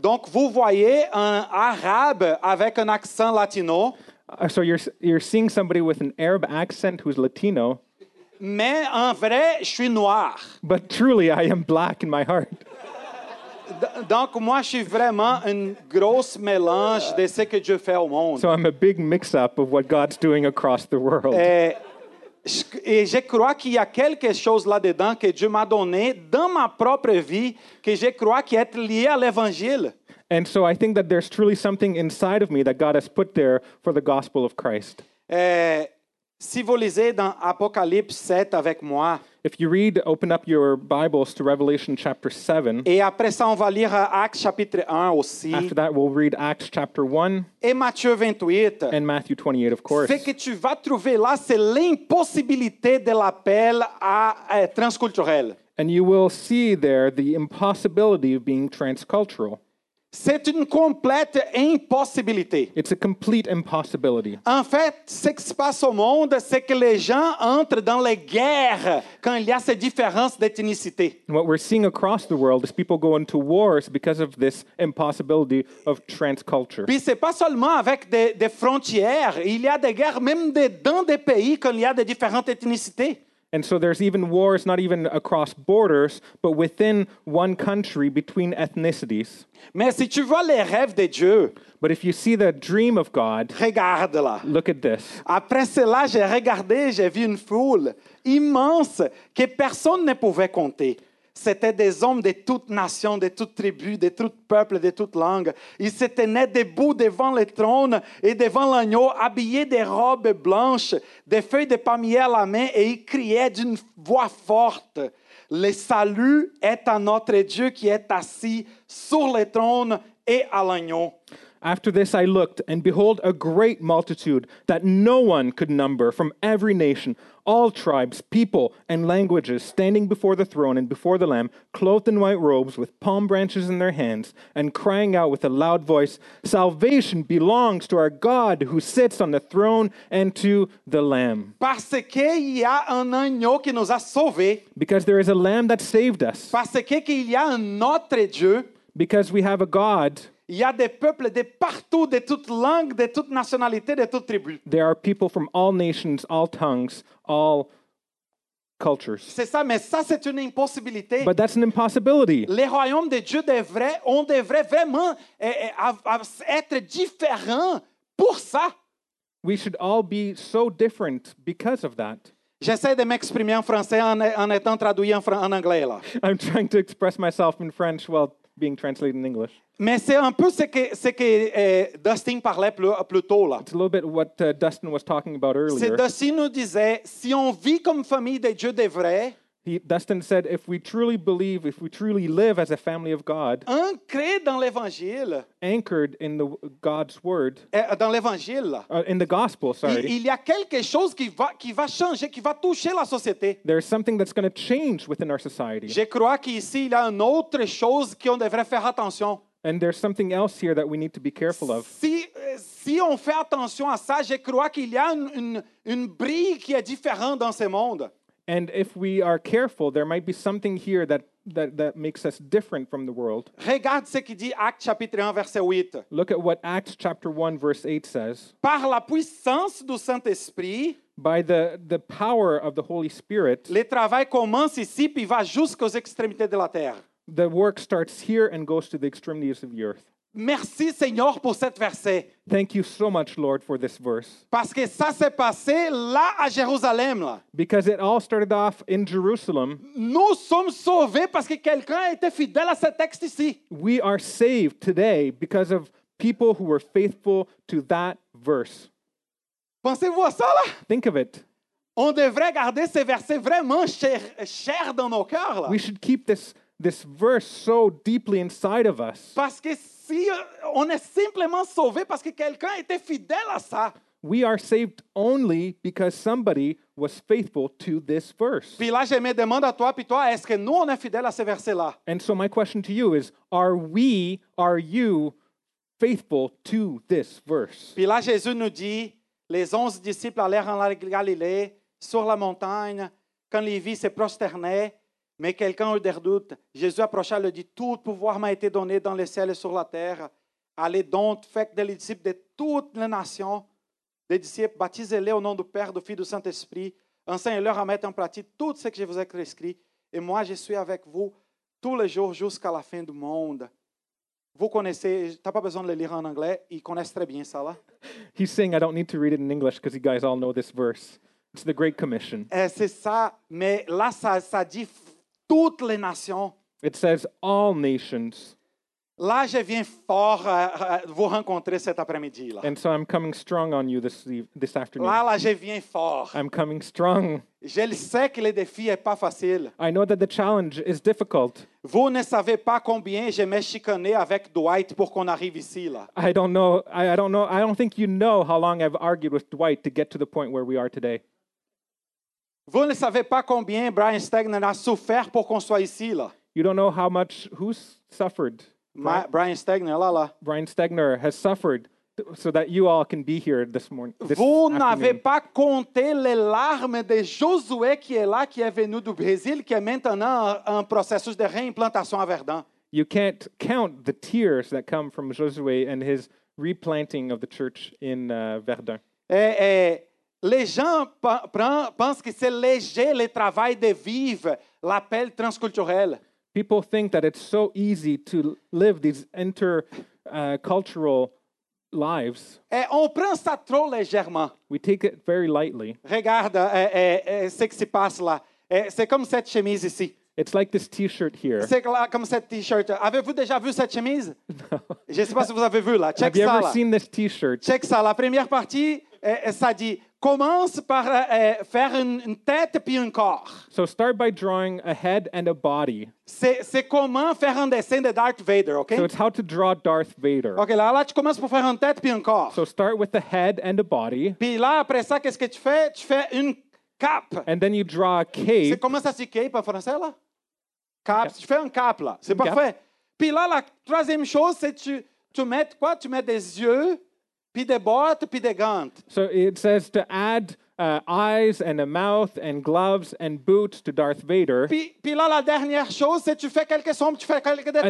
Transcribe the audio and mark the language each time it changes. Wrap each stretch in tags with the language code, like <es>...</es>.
<fr>Donc vous voyez un arabe avec un accent latino.</fr> <en>So you're seeing somebody with an Arab accent who's Latino.</en> <fr>Mais en vrai, je suis noir.</fr> <en>But truly, I am black in my heart.</en> <fr>Donc moi, je suis vraiment un gros mélange de ce que Dieu fait au monde.</fr> <en>So I'm a big mix-up of what God's doing across the world.</en> <fr>Et je crois qu'il y a quelque chose là-dedans que Dieu m'a donné dans ma propre vie que je crois qui est lié à l'Évangile.</fr> <en>And so I think that there's truly something inside of me that God has put there for the gospel of Christ.</en> <fr>Si vous lisez dans Apocalypse 7 avec moi.</fr> <en>If you read, open up your Bibles to Revelation chapter 7.</en> <fr>Et après ça, on va lire Actes chapitre 1 aussi.</fr> <en>After that, we'll read Acts chapter 1.</en> <fr>Et Matthieu 28.</fr> <en>And Matthew 28, of course.</en> <fr>Ce que tu vas trouver là, c'est l'impossibilité de l'appel à transculturel.</fr> <en>And you will see there the impossibility of being transcultural.</en> <fr>C'est une complète impossibilité.</fr> <en>It's a complete impossibility.</en> <fr>En fait, ce qui se passe au monde, c'est que les gens entrent dans les guerres quand il y a cette différence d'ethnicité.</fr> <en>What we're seeing across the world is people go into wars because of this impossibility of transculture.</en> <fr>Puis c'est pas seulement avec des frontières, il y a des guerres même dans des pays quand il y a des différentes ethnicités.</fr> <en>And so there's even wars, not even across borders, but within one country between ethnicities.</en> <fr>Mais si tu vois les rêves de Dieu,</fr> <en>but if you see the dream of God,</en> <fr>regarde-la.</fr> <en>Look at this.</en> <fr>Après cela, j'ai regardé, j'ai vu une foule immense que personne ne pouvait compter. C'était des hommes de toutes nations, de toutes tribus, de tout peuple, de toutes langues. Ils se tenaient debout devant le trône et devant l'agneau, habillés de robes blanches, des feuilles de palmier à la main, et ils criaient d'une voix forte. Le salut est à notre Dieu qui est assis sur le trône et à l'agneau.</fr> <en>After this I looked, and behold a great multitude that no one could number from every nation, all tribes, people, and languages standing before the throne and before the Lamb, clothed in white robes with palm branches in their hands, and crying out with a loud voice, salvation belongs to our God who sits on the throne and to the Lamb.</en> <fr>Parce que il y a un agneau qui nous a sauvés.</fr> <en>Because there is a Lamb that saved us.</en> <fr>Parce qu'il y a un notre Dieu.</fr> <en>Because we have a God.</en> <fr>Il y a des peuples de partout, de toutes langues, de toutes nationalités, de toutes tribus.</fr> <en>There are people from all nations, all tongues, all cultures.</en> <fr>C'est ça, mais ça c'est une impossibilité.</fr> <en>But that's an impossibility.</en> <fr>Les royaumes de Dieu devraient vraiment être différents pour ça.</fr> <en>We should all be so different because of that.</en> <fr>J'essaie de m'exprimer en français en étant traduit en anglais là.</fr> <en>I'm trying to express myself in French while being translated in English.</en> <fr>Mais c'est un peu ce que Dustin parlait plus tôt là.</fr> <en>It's a little bit what Dustin was talking about earlier.</en> <fr>C'est Dustin nous disait, si on vit comme famille de Dieu de vrai,</fr> <en>Dustin said, if we truly believe, if we truly live as a family of God,</en> <fr>ancré dans l'évangile,</fr> <en>anchored in the God's word,</en> <fr>dans l'évangile,</fr> <en>in the gospel, sorry,</en> <fr>il y a quelque chose qui va changer, qui va toucher la société.</fr> <en>There's something that's going to change within our society.</en> <fr>Je crois que ici il y a une autre chose qu'on devrait faire attention.</fr> <en>And there's something else here that we need to be careful of.</en> <fr>Si on fait attention à ça, je crois qu'il y a une brille qui est différente dans ce monde.</fr> <en>And if we are careful, there might be something here that makes us different from the world.</en> <fr>Regarde ce que dit Actes chapitre 1 verset 8.</fr> <en>Look at what Acts chapter 1 verse 8 says.</en> <fr>Par la puissance du Saint-Esprit,</fr> <en>by the power of the Holy Spirit,</en> <fr>le travail commence ici puis va jusqu'aux extrémités de la terre.</fr> <en>The work starts here and goes to the extremities of the earth.</en> <fr>Merci Seigneur pour cette verset.</fr> <en>Thank you so much Lord for this verse.</en> <fr>Parce que ça s'est passé là à Jérusalem là.</fr> <en>Because it all started off in Jerusalem.</en> <fr>Nous sommes sauvés parce que quelqu'un a été fidèle à ce texte ici.</fr> <en>We are saved today because of people who were faithful to that verse.</en> <fr>Pensez-vous à ça là?</fr> <en>Think of it.</en> <fr>On devrait garder ces versets vraiment cher dans nos cœurs là.</fr> <en>We should keep this verse so deeply inside of us.</en> <fr>Parce que si on est simplement sauvé parce que quelqu'un était fidèle à ça.</fr> <en>We are saved only because somebody was faithful to this verse.</en> <fr>Puis là, je me demande à toi, puis toi, est-ce que nous, on est fidèle à ce verset-là?</fr> <en>And so my question to you is, are you faithful to this verse?</en> <fr>Puis là, Jésus nous dit, les 11 disciples allèrent en la Galilée, sur la montagne, quand les vit, se prosternaient. Mais quelqu'un eut des doutes. Jésus approcha et lui dit, « Tout pouvoir m'a été donné dans le ciel et sur la terre. Allez donc, faites des disciples de toutes les nations, des disciples, baptisez-les au nom du Père, du Fils et du Saint-Esprit. Enseignez-leur à mettre en pratique tout ce que je vous ai prescrit. Et moi, je suis avec vous tous les jours jusqu'à la fin du monde. » Vous connaissez, t'as pas besoin de le lire en anglais, ils connaissent très bien ça là.</fr> <en>He's saying, I don't need to read it in English because you guys all know this verse. It's the Great Commission.</en> <fr>C'est ça, mais là, ça dit toutes les nations.</fr> <en>It says all nations.</en> <fr>Là, je viens fort vous rencontrer cet après-midi. Là.</fr> <en>And so I'm coming strong on you this afternoon.</en> <fr>Là, je viens fort.</fr> <en>I'm coming strong.</en> <fr>Je sais que le défi est pas facile.</fr> <en>I know that the challenge is difficult.</en> <fr>Vous ne savez pas combien je m'ai chicané avec Dwight pour qu'on arrive ici là.</fr> <en>I don't know. I don't think you know how long I've argued with Dwight to get to the point where we are today.</en> <fr>Vous ne savez pas combien Brian Stegner a souffert pour qu'on soit ici là.</fr> <en>You don't know how much who's suffered.</en> <fr>Brian Stegner là.</fr> <en>Brian Stegner has suffered so that you all can be here this morning.</en> <fr>Vous n'avez pas compté les larmes de Josué qui est là, qui est venu du Brésil, qui est maintenant en processus de réimplantation à Verdun.</fr> <en>You can't count the tears that come from Josué and his replanting of the church in Verdun.</en> <fr>Les gens pensent que c'est léger le travail de vivre l'appel transculturel.</fr> <en>People think that it's so easy to live these intercultural lives.</en> <fr>On prend ça trop légèrement.</fr> <en>We take it very lightly.</en> <fr>Regarde ce qui se passe là. C'est comme cette chemise ici.</fr> <en>It's like this t-shirt here.</en> <fr>C'est comme cette t-shirt. Avez-vous déjà vu cette chemise?</fr> <en>No.</en> <fr>Je ne sais pas si vous avez vu là.</fr> <en>Check Have</en> <fr>ça,</fr> <en>you ever</en> <fr>là.</fr> <en>Seen this t-shirt?</en> <fr>Check ça. La première partie, ça dit... Commence par faire une tête puis un corps.</fr> <en>So start by drawing a head and a body.</en> <fr>C'est comment faire un dessin de Darth Vader, okay?</fr> <en>So it's how to draw Darth Vader.</en> <fr>Okay, là tu commences pour faire une tête puis un corps.</fr> <en>So start with the head and a body.</en> <fr>Puis là après ça qu'est-ce que tu fais? Tu fais une cape.</fr> <en>And then you draw a cape.</en> <fr>C'est comment ça se cape en français là? Cape. Yep. Tu fais une cape là. C'est parfait. Yep. Puis là la troisième chose c'est tu mets quoi? Tu mets des yeux. Puis des bottes, puis des gants.</fr> <en>So it says to add eyes and a mouth and gloves and boots to Darth Vader.</en> <fr>Puis là, la dernière chose, c'est tu fais quelques sons, tu fais quelques détails.</fr>